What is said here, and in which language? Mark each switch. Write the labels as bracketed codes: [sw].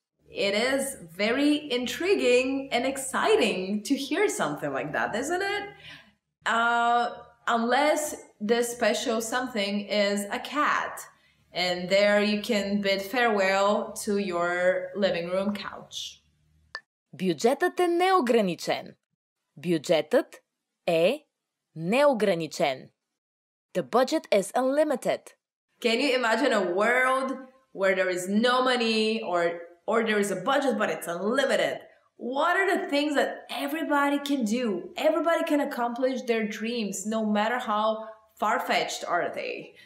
[en] It is very intriguing and exciting to hear something like that, isn't it? Unless the special something is a cat. And there you can bid farewell to your living room couch. [bg] Бюджетът е неограничен. Бюджетът е неограничен. [en] The budget is unlimited. Can you imagine a world where there is no money or there is a budget, but it's unlimited? What are the things that everybody can do? Everybody can accomplish their dreams, no matter how far-fetched are they.